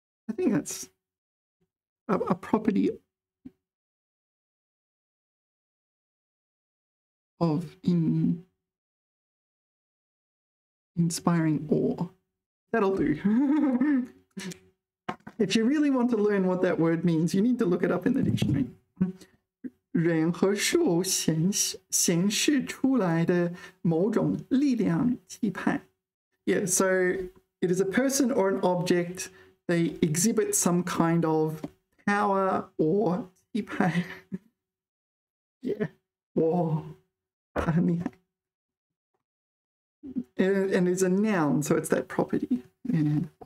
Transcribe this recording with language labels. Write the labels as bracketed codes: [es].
[en] I think that's a property of inspiring awe. That'll do. If you really want to learn what that word means, you need to look it up in the dictionary. [zh] 人和事物显示出来的某种力量气派. [en] Yeah, so it is a person or an object. They exhibit some kind of power or 气派. Yeah. Or. And it's a noun, so it's that property. Yeah.